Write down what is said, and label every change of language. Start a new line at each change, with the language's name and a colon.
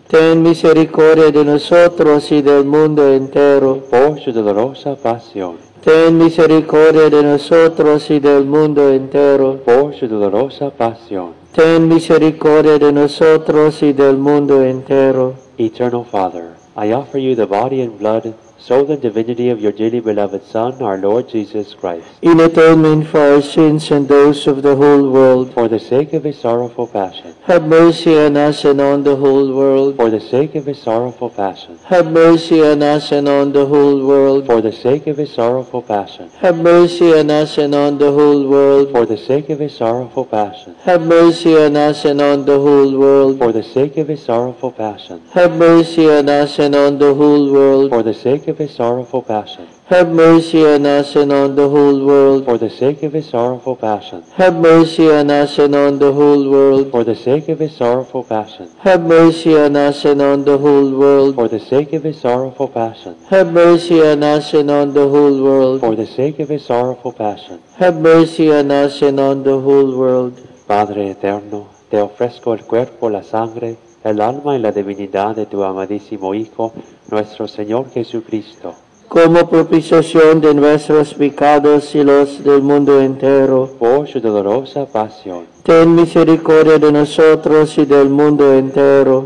Spanish: Ten misericordia de nosotros y del mundo entero. Por su dolorosa pasión. Ten misericordia de nosotros y del mundo entero. Por su dolorosa pasión. Ten misericordia de nosotros y del mundo entero.
English: Eternal Father, I offer you the body and blood, soul and divinity of your dearly beloved Son, our Lord Jesus Christ. In atonement for our sins and those of the whole world. For the sake of his sorrowful passion. Have mercy on us and on the whole world. For the sake of his sorrowful passion. Have mercy on us and on the whole world. For the sake of his sorrowful passion. Have mercy on us and on the whole world. For the sake of his sorrowful passion. Have mercy on us and on the whole world. For the sake of his sorrowful passion. Have mercy on us and on the whole world. For the sake of his sorrowful passion. Have mercy on us and on the whole world. For the sake of his sorrowful passion. Have mercy on us and on the whole world. For the sake of his sorrowful passion. Have mercy on us and on the whole world. For the sake of his sorrowful passion. Have mercy on us and on the whole world. For the sake of his sorrowful passion. Have mercy on us and on the whole world.
Spanish: Padre eterno, te ofrezco el cuerpo, la sangre, el alma y la divinidad de tu amadísimo Hijo, nuestro Señor Jesucristo. Como propiciación de nuestros pecados y los del mundo entero, por su dolorosa pasión, ten misericordia de nosotros y del mundo entero,